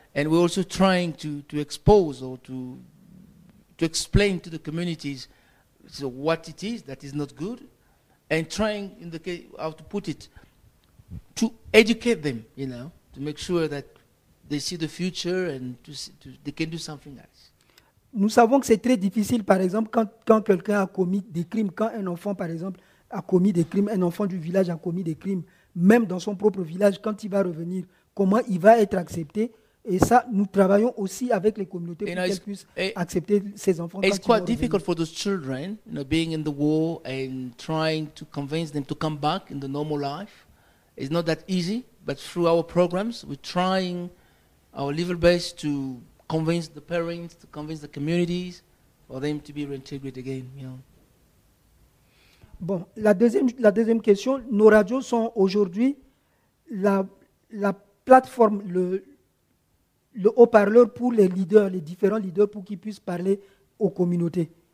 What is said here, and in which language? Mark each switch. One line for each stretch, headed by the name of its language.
English: And we're also trying to expose or to explain to the communities so what it is that is not good, and trying in the case how to put it to educate them, you know, to make sure that they see the future and to they can do something else.
French: Nous savons que c'est très difficile, par exemple, quand quelqu'un a commis des crimes, quand un enfant, par exemple, a commis des crimes, un enfant du village a commis des crimes, même dans son propre village, quand il va revenir, comment il va être accepté? Et ça, nous travaillons aussi avec les communautés pour qu'elles puissent accepter ces enfants.
English: It's quite difficult for those children, you know, being in the war and trying to convince them to come back in the normal life. It's not that easy, but through our programs, we're trying our level best to convince the parents, to convince the communities, for them to be reintegrated again. You know.
French: Bon, la deuxième question, nos radios sont aujourd'hui la plateforme, le haut-parleur pour les leaders, les différents leaders, pour qu'ils puissent parler aux communautés.